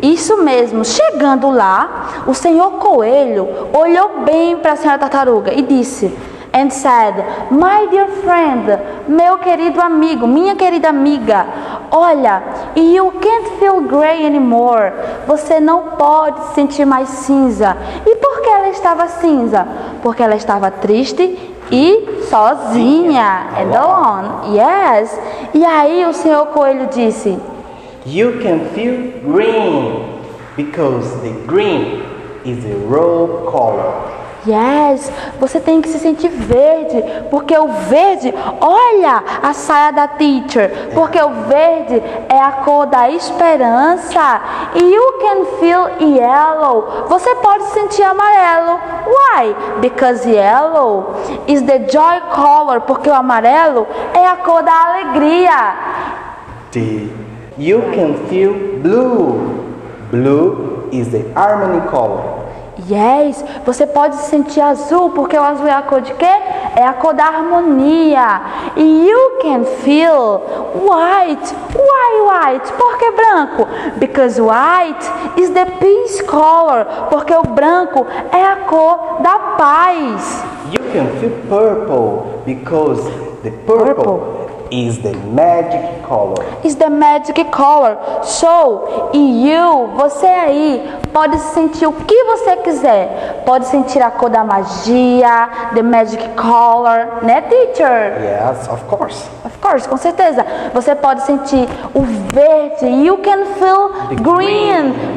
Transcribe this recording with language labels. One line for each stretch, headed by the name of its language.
Portuguese: Isso mesmo. Chegando lá, o senhor coelho olhou bem para a senhora tartaruga e disse,
English: and said, my dear friend,
Portuguese: meu querido amigo, minha querida amiga, olha,
English: you can't feel gray anymore.
Portuguese: Você não pode se sentir mais cinza. E por que ela estava cinza? Porque ela estava triste e sozinha. Sim,
English: alone. Yes.
Portuguese: E aí o senhor coelho disse,
English: you can feel green because the green is a rose color.
Portuguese: Yes, você tem que se sentir verde, porque o verde, olha a saia da teacher, porque o verde é a cor da esperança.
English: You can feel yellow,
Portuguese: você pode sentir amarelo.
English: Why? Because yellow is the joy color,
Portuguese: porque o amarelo é a cor da alegria.
English: You can feel blue, blue is the harmony color.
Portuguese: Yes, você pode se sentir azul, porque o azul é a cor de quê? É a cor da harmonia.
English: You can feel white. Why white?
Portuguese: Por que branco?
English: Because white is the peace color.
Portuguese: Porque o branco é a cor da paz.
English: You can feel purple, because the purple is the magic color. Is the magic color.
Portuguese: So, you, você aí, pode sentir o que você quiser. Pode sentir a cor da magia,
English: the magic color,
Portuguese: né, teacher?
English: Yes, of course. Of course,
Portuguese: com certeza. Você pode sentir o verde.
English: You can feel green.